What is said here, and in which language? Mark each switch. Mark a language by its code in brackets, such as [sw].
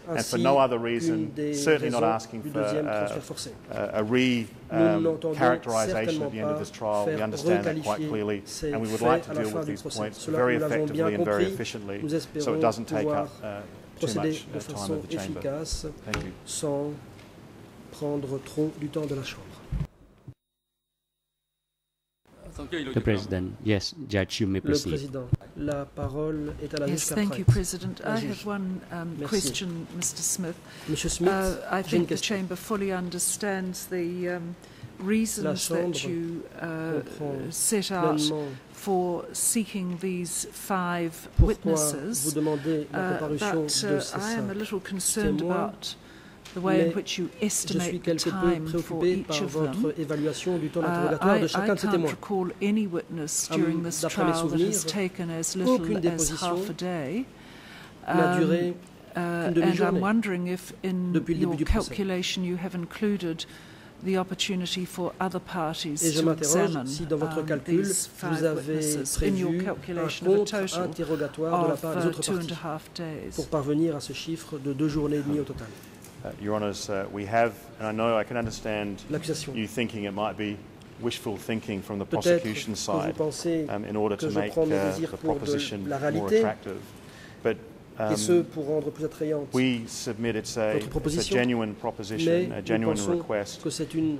[en] And for no other reason, certainly not asking for a re-characterisation at the end of this trial. We understand that quite clearly, and we would like to deal with these points very effectively and very efficiently so it doesn't take up too much time of the chamber. Thank you. [fr] Sans prendre trop du temps de la chambre. [en] The President. Yes, Judge, you may proceed. Yes, thank you, President. I have one question, Mr. Smith. I think the Chamber fully understands the reasons that you set out for seeking these five witnesses, but I am a little concerned about the way in which you estimate the time for each of them. I can't recall any witness during this trial that has taken as little as half a day. And I'm wondering if in your calculation you have included the opportunity for other parties to examine these five witnesses in your calculation of a total of 2.5 days. [fr] Pour parvenir à ce chiffre de 2.5 journées au total. [en] Your Honours, we have, and I know I can understand you thinking it might be wishful thinking from the prosecution side in order to make the proposition more attractive. But we submit it's a genuine proposition, a genuine request,